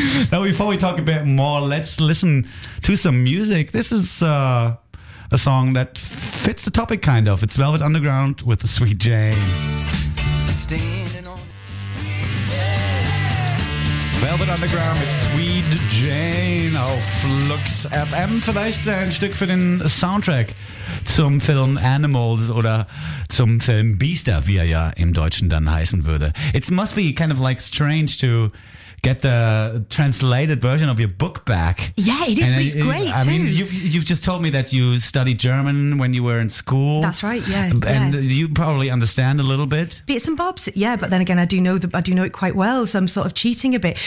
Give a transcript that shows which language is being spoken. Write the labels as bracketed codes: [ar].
[en] Now, before we talk a bit more, let's listen to some music. This is a song that fits the topic, kind of. It's Velvet Underground with the Sweet Jane. Well, [de] Velvet Underground mit Sweet Jane auf Lux FM. Vielleicht ein Stück für den Soundtrack zum Film Animals oder zum Film Biester, wie er ja im Deutschen dann heißen würde. [en] It must be kind of like strange to get the translated version of your book back. Yeah, it is, and but it's great too. I mean, you've just told me that you studied German when you were in school. That's right, yeah. And you probably understand a little bit. Bits and bobs, yeah. But then again, I do know it quite well, so I'm sort of cheating a bit.